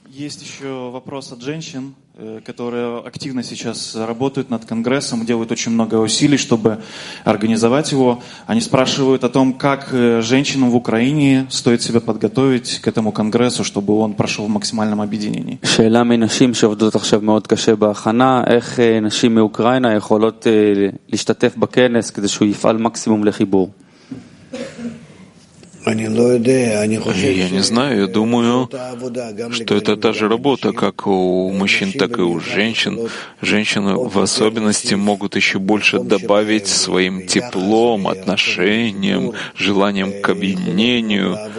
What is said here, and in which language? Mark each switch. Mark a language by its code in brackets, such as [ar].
[ru] Есть еще вопрос от женщин, которые активно сейчас работают над конгрессом, делают очень много усилий, чтобы организовать его. Они спрашивают о том, как женщинам в Украине стоит себя подготовить к этому конгрессу, чтобы он прошел в максимальном объединении. [he] Шеела мнешим, שעובדות עכשיו מאוד קשה בהכנה, איך נשים מאוקראינה יכולות להשתתף בכנס כדי שהוא יפעל מקסימום לחיבור. [ru] Я не знаю, я думаю, что это та же работа, как у мужчин, так и у женщин. Женщины в особенности могут еще больше добавить своим теплом, отношением, желанием к объединению.